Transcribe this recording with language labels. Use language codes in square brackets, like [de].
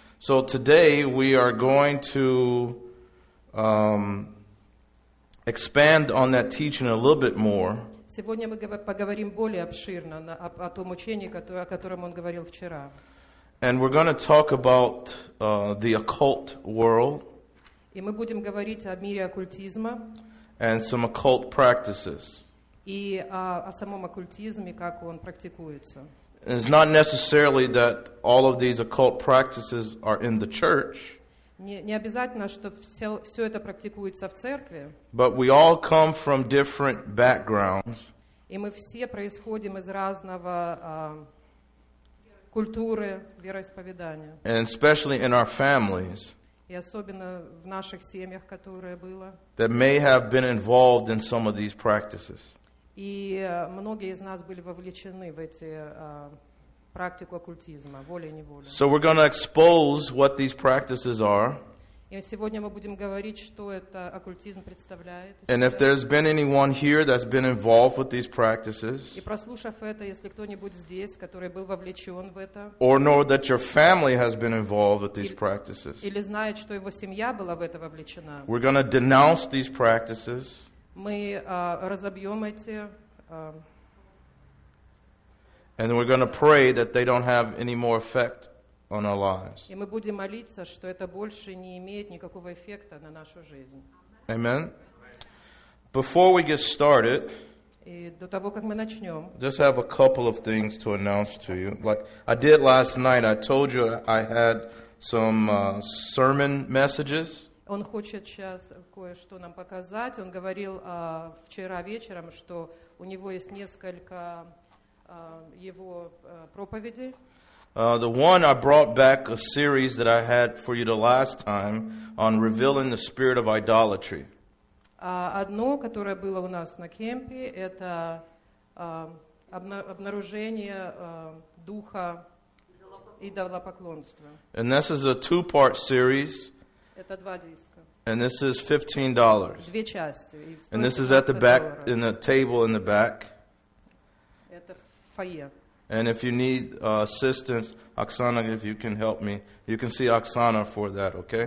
[en] So today we are going to expand on that teaching a little bit more. [ru] Сегодня мы поговорим более обширно о том учении, о котором он говорил вчера. [en] And we're going to talk about the occult world. [ru] И мы будем говорить о мире оккультизма. [en] And some occult practices. [ru] И о самом оккультизме, как он практикуется. [en] It's not necessarily that all of these occult practices are in the church. [ru] Не обязательно, что все это практикуется в церкви. [en] But we all come from different backgrounds. [ru] И мы все происходим из разного культуры, вероисповедания. [en] And especially in our families. [ru] И особенно в наших семьях, которые было. [en] That may have been involved in some of these practices. [ru] И многие из нас были вовлечены в эти практику оккультизма, волей-неволей. [en] So we're going to expose what these practices are. [ru] И сегодня мы будем говорить, что это оккультизм представляет. [en] And if there's been anyone here that's been involved with these practices. [ru] И прослушав это, если кто-нибудь здесь, который был вовлечен в это. [en] Or know that your family has been involved with these practices. [ru] Или знает, что его семья была в это вовлечена. [en] We're going to denounce these practices. [ru] Мы разобьем эти. [en] And we're going to pray that they don't have any more effect on our lives. [ru] И мы будем молиться, что это больше не имеет никакого эффекта на нашу жизнь. [en] Amen. Before we get started, [ru] и до того, как мы начнем, [en] just have a couple of things to announce to you. Like I did last night, I told you I had some sermon messages. [ru] Он хочет сейчас кое-что нам показать. Он говорил вчера вечером, что у него есть несколько его проповедей. [en] The one I brought back a series that I had for you the last time on revealing the spirit of idolatry. [ru] Одно, которое было у нас на кемпе, это обнаружение духа идолопоклонства. [en] And this is a two-part series. [ru] Это два диска. [en] And this is $15. [ru] Две части. [en] And this is at the back, in the table in the back. [ru] Это фойе. [en] And if you need assistance, Оксана, if you can help me, you can see Оксана for that, okay?